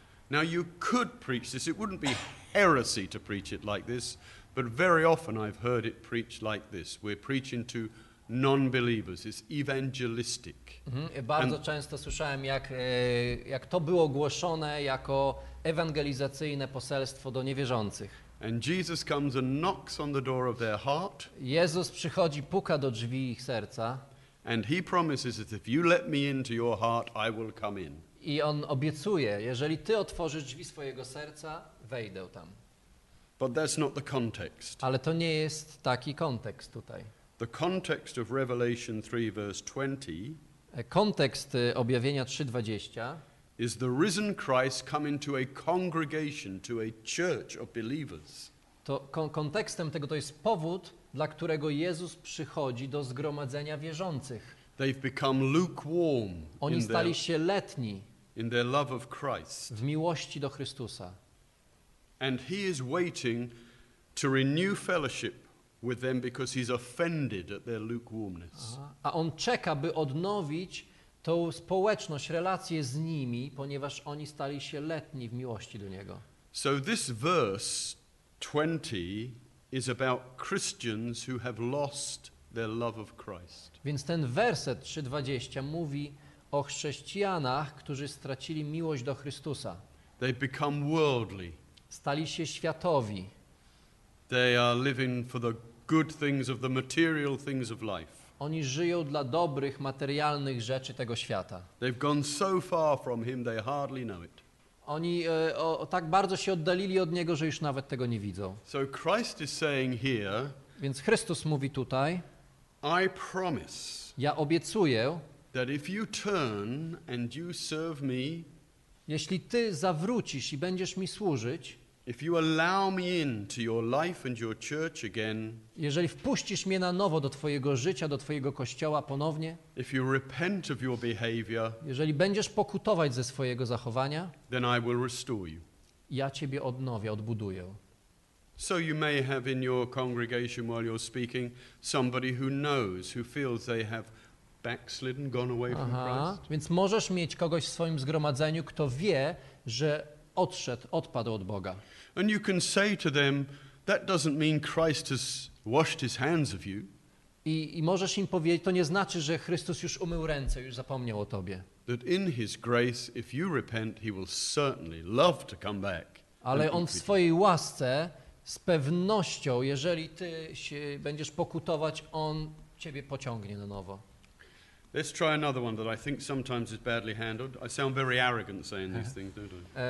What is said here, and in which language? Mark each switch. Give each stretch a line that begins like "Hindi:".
English: Now you could preach this. It wouldn't be heresy to preach it like this, but very often I've heard it preached like this. We're preaching to non-believers. It's evangelistic. Mm-hmm.
Polish: Bardzo and często słyszałem, jak to było głoszone jako ewangelizacyjne poselstwo do niewierzących.
English: And Jesus comes and knocks on the door of their heart.
Polish: Jezus przychodzi, puka do drzwi ich serca.
English: And he promises that if you let me into your heart, I will come in.
Polish: I on obiecuje, jeżeli ty otworzysz drzwi swojego serca, wejdę tam.
English: But that's not the context.
Polish: Ale to nie jest taki kontekst tutaj.
English: The context of Revelation 3 verse 20.
Polish: Kontekst objawienia 3:20.
English: Is the risen Christ coming to a congregation, to a church of believers?
Polish: To kontekstem tego to jest powód, dla którego Jezus przychodzi do zgromadzenia wierzących.
English: They've become lukewarm.
Polish: Oni stali się letni.
English: In their love of Christ.
Polish: W miłości do Chrystusa.
English: And he is waiting to renew fellowship with them because he's offended at their lukewarmness.
Polish: A on czeka, by odnowić tą społeczność, relacje z nimi, ponieważ oni stali się letni w miłości do niego.
English: So this verse 20 is about Christians who have lost their love of Christ.
Polish: Więc ten werset 3:20 mówi o chrześcijanach, którzy stracili miłość do Chrystusa.
English: They become worldly.
Polish: Stali się światowi.
English: They are living for the good things of the material things of life.
Polish: Oni żyją dla dobrych, materialnych rzeczy tego świata.
English: They've gone so far from him, they hardly know it.
Polish: Oni tak bardzo się oddalili od niego, że już nawet tego nie widzą.
English: So Christ is saying here.
Polish: Więc Chrystus mówi tutaj.
English: I promise.
Polish: Ja obiecuję.
English: That if you turn and you serve me.
Polish: Jeśli ty zawrócisz i będziesz mi służyć.
English: If you allow me into your life and your church again.
Polish: Jeżeli wpuścisz mnie na nowo do twojego życia, do twojego kościoła ponownie.
English: If you repent of your behavior.
Polish: Jeżeli będziesz pokutować ze swojego zachowania.
English: Then I will restore you.
Polish: Ja ciebie odnowię, odbuduję.
English: So you may have in your congregation while you're speaking somebody who knows, who feels they have backslidden, gone away from Christ.
Polish: Więc możesz mieć kogoś w swoim zgromadzeniu, kto wie, że odszedł, odpadł od Boga.
English: And you can say to them, that doesn't mean Christ has washed his hands of you.
Polish: I możesz im powiedzieć, to nie znaczy, że Chrystus już umył ręce, już zapomniał o tobie.
English: That in his grace, if you repent, he will certainly love to come back.
Polish: Ale on w swojej łasce, z pewnością, jeżeli ty się będziesz pokutować, on ciebie pociągnie na nowo.
English: Let's try another one that I think sometimes is badly handled. I sound very arrogant saying these things, don't I?